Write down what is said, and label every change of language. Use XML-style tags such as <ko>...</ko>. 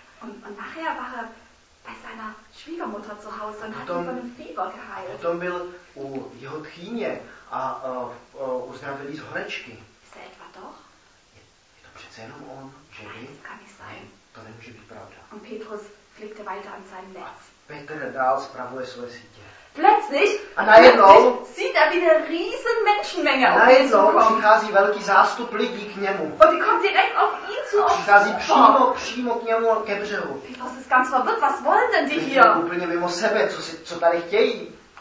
<de>Und nachher war er bei seiner Schwiegermutter zu Hause und hat ihn von einem Fieber geheilt.</de> <cs>Potom byl u jeho tchýně a uzdravil jí z horečky.</cs> <de>Ist er etwa doch?</de> <cs>Je to přece jenom on, že by?</cs> <de>Das kann nicht sein.</de> <cs>To nemůže být pravda.</cs> <de>Und Petrus pflegte weiter an seinem Netz.</de> <cs>Petr dál spravuje svoje sítě.</cs> <de>plötzlich</de> <cs>a najednou,</cs> <de>sieht er wieder riesen Menschenmenge auf ihn zu kommen.</de> <cs>Přichází velký zástup lidí k němu.</cs> <de>Und die kommt direkt auf ihn zu.</de> <cs>Přichází přímo k němu ke břehu.</cs> <de>Das ist ganz verwirrt, was wollen denn die hier?</de> <cs>Úplně mimo sebe, co tady chtějí.</cs>